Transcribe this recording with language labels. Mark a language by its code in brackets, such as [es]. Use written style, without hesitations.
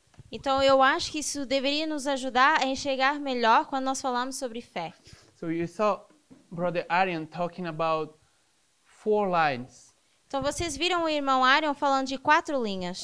[pt] Então eu acho que isso deveria nos ajudar a enxergar melhor quando nós falamos sobre fé. [en] So you saw Brother Arian talking about four lines. [pt] Então vocês viram o irmão Arian falando de quatro linhas.